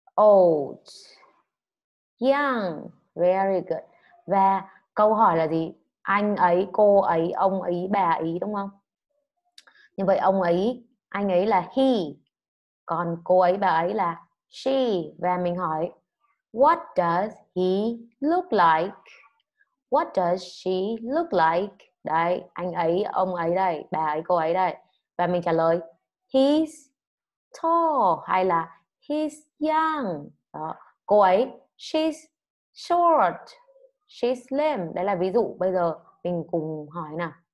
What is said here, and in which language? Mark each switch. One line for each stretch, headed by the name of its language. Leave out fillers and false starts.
English: Old. Young. Very good.
Vietnamese: Và câu hỏi là gì? Anh ấy, cô ấy, ông ấy, bà ấy, đúng không? Như vậy ông ấy, anh ấy là he. Còn cô ấy, bà ấy là she. Và mình hỏi
English: What does he look like? What does she look like?
Vietnamese: Đấy, anh ấy, ông ấy đây, bà ấy, cô ấy đây. Và mình trả lời
English: He's tall
Vietnamese: hay là
English: he's young.
Vietnamese: Đó. Cô ấy,
English: she's short, she's slim.
Vietnamese: Đấy là ví dụ, bây giờ mình cùng hỏi nào.